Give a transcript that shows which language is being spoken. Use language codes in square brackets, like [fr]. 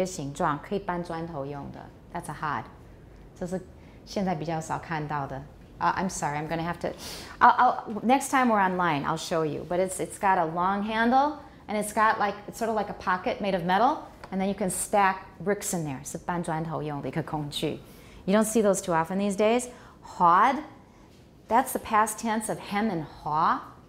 [zh] 是个油饼,然后上面有一个好像一个角落的一个形状,可以搬砖头用的. [en] That's a hod. [zh] 这是现在比较少看到的. [en] I'm sorry, I'm going to have to... next time we're online, I'll show you. But it's got a long handle, and it's got like, it's sort of like a pocket made of metal, and then you can stack bricks in there. [zh] 是搬砖头用的一个工具. [en] You don't see those too often these days. Hod, that's the past tense of hem and haw.